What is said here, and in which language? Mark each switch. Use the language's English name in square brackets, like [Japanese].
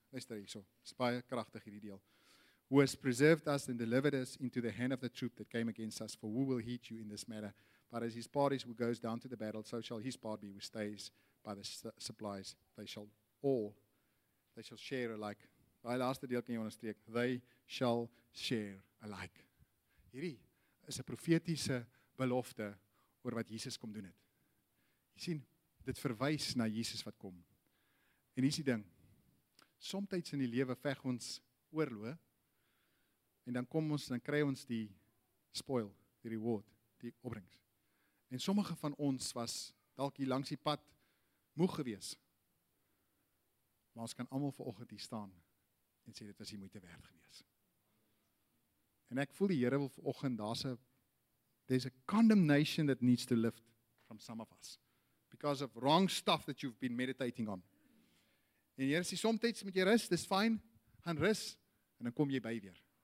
[Afrikaans] Luister hierso, dit is baie krachtig hierdie deel. [English] Who has preserved us and delivered us into the hand of the troop that came against us, for who will heed you in this matter? But as his part is who goes down to the battle, so shall his part be who stays by the supplies. They shall share alike [Afrikaans] Daai laaste deel kan jy onderstreek. [English] They shall share alike. [Afrikaans] Hierdie is 'n profetiese belofte oor wat Jesus kom doen het. Jy sien, dit verwys na Jesus wat kom. En hier is die ding. Somtyds in die lewe veg ons oorloë en dan kom ons en dan kry ons die spoil, die reward, die opbrengs. En sommige van ons was dalk hier langs die pad moeg geweest. Maar ons kan almal vanoggend hier staan en sê dit was die moeite werd geweest. En ek voel die Here wil vanoggend [English] there's a condemnation that needs to lift from some of us because of wrong stuff that you've been meditating on. [Afrikaans] En jy sê soms moet jy rus, dis fyn, gaan rus en dan kom jy by weer.